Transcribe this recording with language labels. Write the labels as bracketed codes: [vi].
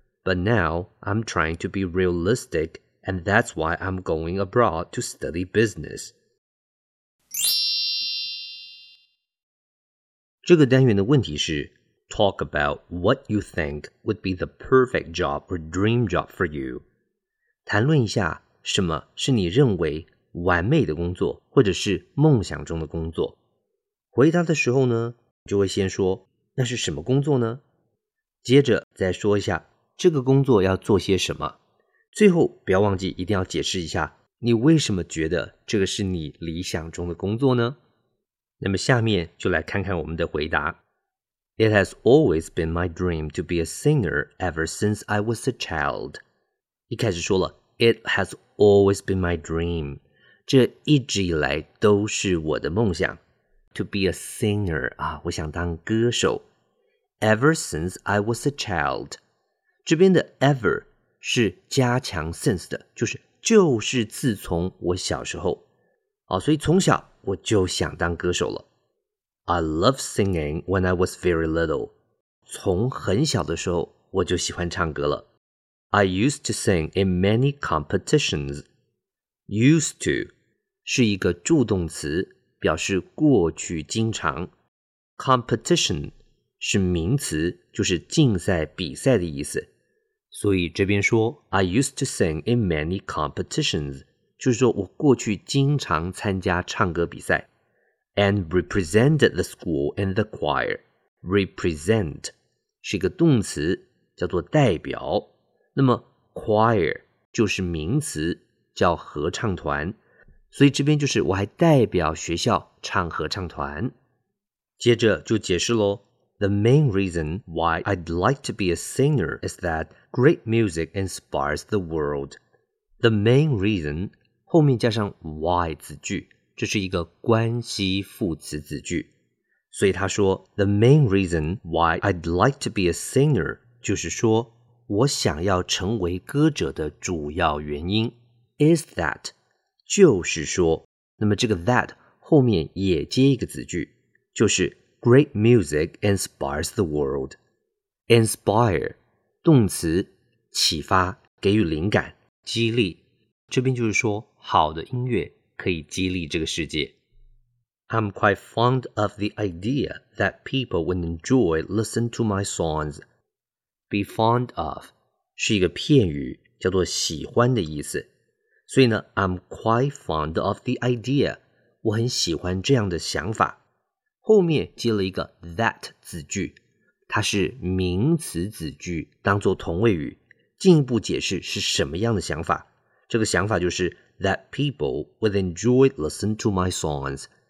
[en] But now, I'm trying to be realistic, and that's why I'm going abroad to study business. [zh] 这个单元的问题是 [en] Talk about what you think would be the perfect job or dream job for you. [zh] 谈论一下什么是你认为完美的工作或者是梦想中的工作。回答的时候呢，就会先说那是什么工作呢？接着再说一下这个工作要做些什么。最后不要忘记一定要解释一下你为什么觉得这个是你理想中的工作呢？那么下面就来看看我们的回答。 [en] It has always been my dream to be a singer ever since I was a child. [zh] 一开始说了 , [en] It has always been my dream. [zh] 这一直以来都是我的梦想。 [en] To be a singer, [zh] 啊，我想当歌手。 [en] Ever since I was a child. [zh] 这边的 ever 是加强 since 的，就是自从我小时候。啊，所以从小我就想当歌手了。 [en] I love singing when I was very little. [zh] 从很小的时候我就喜欢唱歌了。 [en] I used to sing in many competitions. Used to [zh] 是一个助动词，表示过去经常。 Competition 是名词，就是竞赛比赛的意思。所以这边说 [en] I used to sing in many competitions [zh] 就是说我过去经常参加唱歌比赛。 [en] And represented the school and the choir. Represent [zh] 是一个动词，叫做代表。那么 choir 就是名词，叫合唱团。所以这边就是我还代表学校唱合唱团。接着就解释咯。 [en] The main reason why I'd like to be a singer is that great music inspires the world. The main reason [zh] 后面加上 why 子句。这是一个关系副词子句，所以他说 [en] The main reason why I'd like to be a singer [zh] 就是说我想要成为歌者的主要原因 [en] is that [zh] 就是说，那么这个 that 后面也接一个子句，就是 [en] Great music inspires the world. [zh] Inspire 动词，启发，给予灵感，激励。这边就是说好的音乐可以激励这个世界。 [en] I'm quite fond of the idea that people would enjoy listening to my songs. Be fond of [zh] 是一个片语，叫做喜欢的意思。所以呢 ， [en] I'm quite fond of the idea. [zh] 我很喜欢这样的想法。后面接了一个 that 子句，它是名词子句，当作同位语，进一步解释是什么样的想法。这个想法就是。 [en] That people would enjoy listening to my songs.